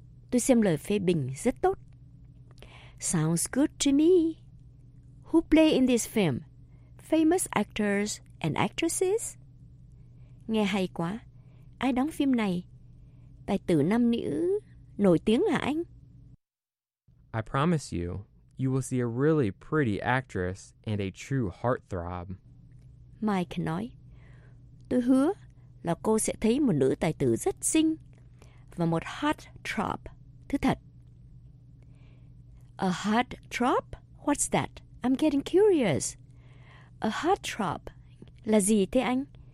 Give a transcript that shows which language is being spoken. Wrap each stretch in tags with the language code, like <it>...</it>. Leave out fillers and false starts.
<vi>Tôi xem lời phê bình rất tốt.</vi> <en>Sounds good to me. Who play in this film? Famous actors and actresses?</en> <vi>Nghe hay quá. Ai đóng phim này? Tài tử nam nữ nổi tiếng hả anh?</vi> <en>I promise you, you will see a really pretty actress and a true heartthrob.</en> <vi>Mike nói, tôi hứa là cô sẽ thấy một nữ tài tử rất xinh và một heartthrob, thứ thật.</vi> <en>A heartthrob? What's that? I'm getting curious.</en> <vi>A heartthrob là gì thế anh?</vi>